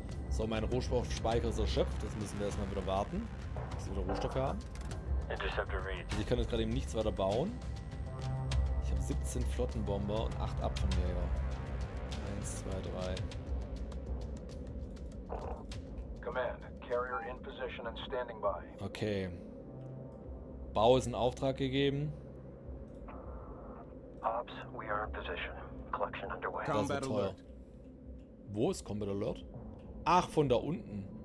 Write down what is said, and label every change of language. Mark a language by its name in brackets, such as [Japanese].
[German] So, mein Rohstoffspeicher ist erschöpft. Jetzt müssen wir erstmal wieder warten, bis wir wieder Rohstoffe haben. Also ich kann jetzt gerade eben nichts weiter bauen. Ich habe 17 Flottenbomber und 8 Abfangjäger. 1, 2, 3. [English] Command, carrier in position and standing by. Okay. [German] Bau ist in Auftrag gegeben. [English] Ops, we are in position. Collection underway. [German] Das wird teuer. Wo ist Combat Alert? Ach, von da unten.